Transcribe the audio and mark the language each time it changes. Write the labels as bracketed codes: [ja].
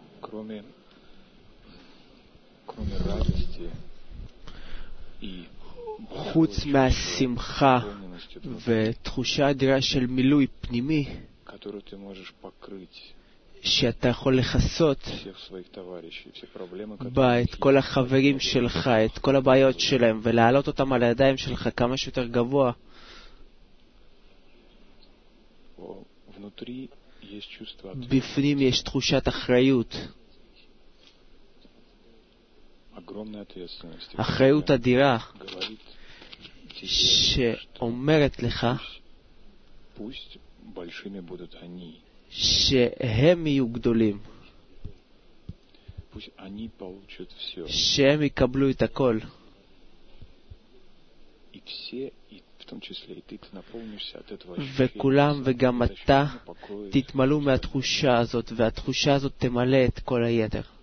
[ru] кроме радости и [he] חוץ מהשמחה ותחושה אדירה של מילוי פנימי, [ru] которую ты можешь покрыть, [he] שאתה יכול לחסות [ru] всех своих товарищей, все проблемы, которые [he] את כל החברים שלך, את כל הבעיות שלהם, ולהעלות אותם על הידיים שלך כמה שיותר גבוה. [ru] внутри есть чувство, [he] בפנים יש תחושת אחריות, [ru] огромная ответственность. [he] אחריות אדירה, [ru] говорит, [he] שאומרת לך, [ru] пусть большими будут они, [he] שהם יהיו גדולים, [ru] пусть они получат всё, [he] שהם יקבלו את הכל, [ru] и все, и в том числе и ты, ты наполнишься от этого, [he] וכולם, וגם אתה תתמלאו מהתחושה הזאת, והתחושה הזאת תמלא את כל היתר.